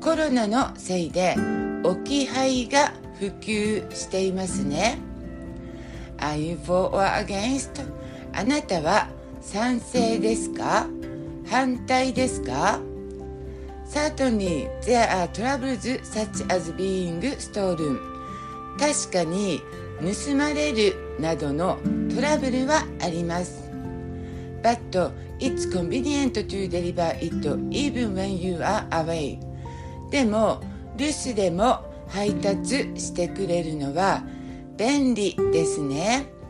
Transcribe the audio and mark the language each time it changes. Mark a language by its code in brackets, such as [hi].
[ja] コロナのせいで置き配が普及していますね。 [en] Are you for or against? [ja] あなたは賛成ですか、反対ですか？ [en] Certainly, there are troubles such as being stolen. [ja] 確かに盗まれるなどのトラブルはあります。 [en] But it's convenient to deliver it even when you are away. [ja] でも留守でも配達してくれるのは便利ですね。